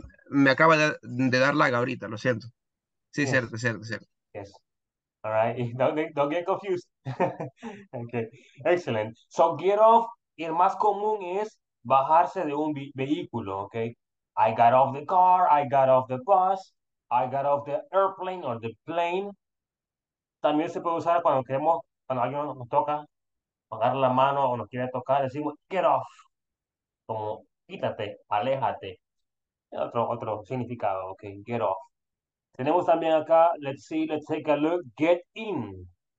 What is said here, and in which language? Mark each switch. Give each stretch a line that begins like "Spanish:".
Spanish: Me acaba de dar lag ahorita, lo siento. Sí, yes. Cierto.
English: Yes. All right, don't get confused. Okay, excellent. So get off.
Spanish: El más común es bajarse de un vehículo, ¿ok?
English: I got off the car, I got off the bus, I got off the airplane or the plane.
Spanish: También se puede usar cuando alguien nos toca, agarra la mano o nos quiere tocar, decimos, get off. Como, quítate, aléjate. Otro significado, ¿ok? Get off. Tenemos también acá,
English: let's take a look,
Spanish: get in.